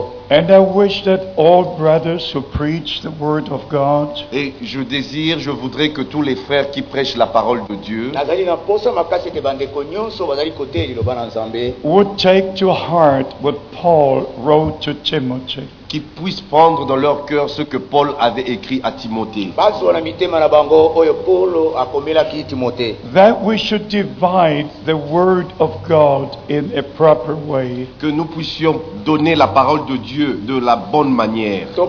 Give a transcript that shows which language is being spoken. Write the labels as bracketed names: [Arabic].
[English] And I wish that all brothers who preach the word of God, [French] et je désire, je voudrais que tous les frères qui prêchent la parole de Dieu [English] would take to heart what Paul wrote to Timothy. [French] Qu'ils puissent prendre dans leur cœur ce que Paul avait écrit à Timothée. [English] That we should divide the word of God in a proper way. [French] Que nous puissions donner la parole de Dieu de la bonne manière.